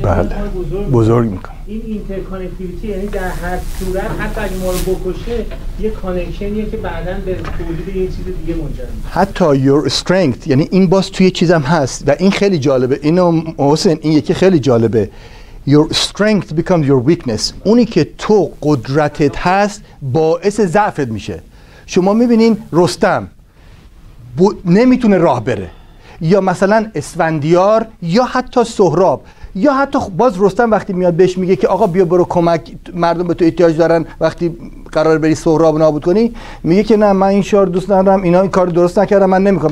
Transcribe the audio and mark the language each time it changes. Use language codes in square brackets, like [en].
[fa] بله. بزرگ میکنه این اینترکانکتیویتی، یعنی در هر صورت حتی اگه ما رو بکشه یه کانکشنیه که بعداً به تولید یه چیز دیگه منجر میشه. حتی [en] your strength، [fa] یعنی این باز توی چیزم هست و این خیلی جالبه. اینو حسین، این یکی خیلی جالبه. [en] Your strength becomes your weakness. [fa] اونی که تو قدرتت هست باعث ضعفت میشه. شما میبینین رستم نمیتونه راه بره، یا مثلا اسفندیار، یا حتی سهراب، یا حتی باز رستم وقتی میاد بهش میگه که آقا بیا برو کمک، مردم به تو احتیاج دارن، وقتی قرار بری سهراب نابود کنی، میگه که نه من این شهر دوست ندارم، اینا این کار درست نکردم، من نمیکنم.